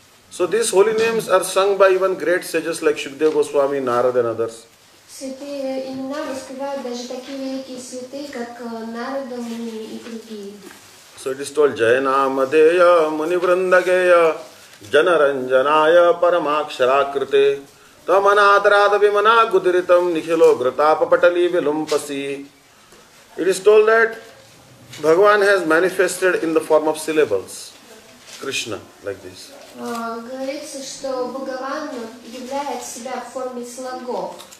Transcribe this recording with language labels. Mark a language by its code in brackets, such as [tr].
[en] So these holy names are sung by even great sages like Shukdev Goswami, Narada and others. [ru] Святые имена раскрывают даже такие великие святые, как Нарада Муни и другие. [sa] So it is told, Jayanamadeya Munivrindageya Janaranjanaya Paramaksharakrite Tamanadradavimana Gudritam Nikhilo Gratapapatali Vilumpasi. [en] It is told that Bhagavan has manifested in the form of syllables, Krishna, like this. [ru] Говорится, что Бхагаван являет себя в форме слогов.